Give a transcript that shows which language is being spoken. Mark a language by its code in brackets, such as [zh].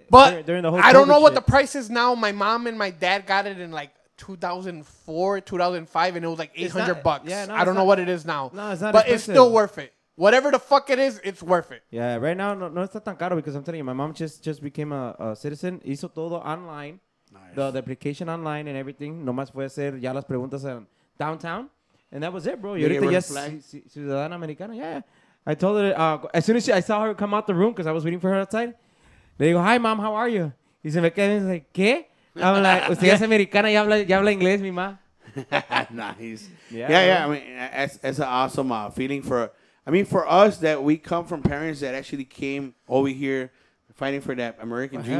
[en] But during the whole I don't know what the price is now. My mom and my dad got it in like 2004, 2005, and it was like $800. Yeah, no, I don't know what it is now. No, it's not. But it's still worth it. Whatever the fuck it is, it's worth it. Yeah, right now, [es] no, no está tan caro [en] because I'm telling you, my mom just became a citizen. [es] Hizo todo online. [en] Nice. The application online and everything. [es] Nomás fue hacer ya las preguntas en downtown. [en] And that was it, bro. You're the yes, [es] ciudadana americana. Yeah. [en] I told her, as soon as I saw her come out the room because I was waiting for her outside, they go, hi, mom, how are you? [es] Y se me quedan y like, ¿qué? [en] I'm like, [es] usted es americana y habla inglés, mi ma. [en] Nice. Yeah. I mean, it's an awesome feeling for... I mean, for us, that we come from parents that actually came over here fighting for that American dream.